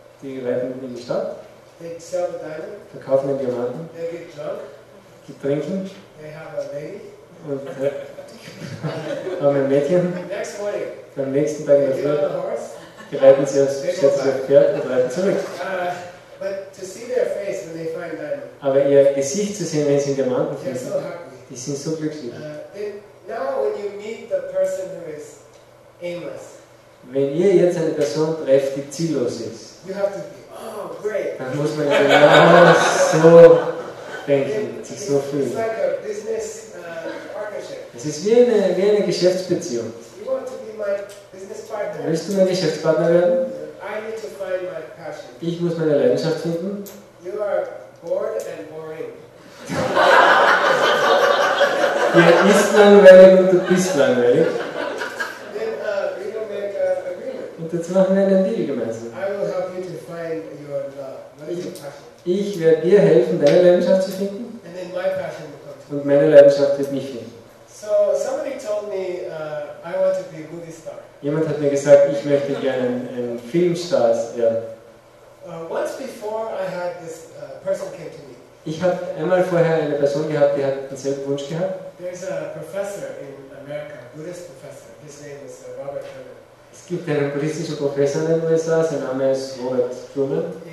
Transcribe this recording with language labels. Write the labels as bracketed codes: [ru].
[de] Die reiten in die Stadt. [en] They sell the diamond. [de] Verkaufen den Diamanten. [en] They get drunk. [de] Die trinken. [en] They have a lady. [de] Und haben ein Mädchen. [en] Next morning, [de] beim nächsten Tag in der Früh. Die reiten sie aufs Pferd und reiten zurück. [en] But to see their face when they find diamond. [de] Aber ihr Gesicht zu sehen, wenn sie einen Diamanten finden, so die sind so glücklich. [en] Now when you meet the person who is aimless, [de] wenn ihr jetzt eine Person trefft, die ziellos ist, [en] you have to be, oh, great. [de] Dann muss man so denken, sich so fühlen. [en] It's like a business, partnership. [de] Es ist wie eine Geschäftsbeziehung. [en] You want to be my business partner. [de] Willst du mein Geschäftspartner werden? [en] I need to find my passion. [de] Ich muss meine Leidenschaft finden. [en] You are bored and boring. [de] Ihr ist langweilig und du bist langweilig. [en] Then we will make an agreement. [de] Und jetzt machen wir einen Deal gemeinsam. [en] I will help you to find your love. What is your passion? [de] Ich werde dir helfen, deine Leidenschaft zu finden. [en] And then my passion will come to you. [de] Und meine Leidenschaft wird mich finden. [en] So somebody told me I want to be a movie star. [de] Jemand hat mir gesagt, ich möchte gerne ein Filmstar werden. [en] Once before I had this person came to me. [de] Ich habe einmal vorher eine Person gehabt, die hat denselben Wunsch gehabt. [en] There's a professor in America, a Buddhist professor. His name is Robert Truman. [de] Es gibt einen buddhistischen Professor in den USA, sein Name ist Robert Truman.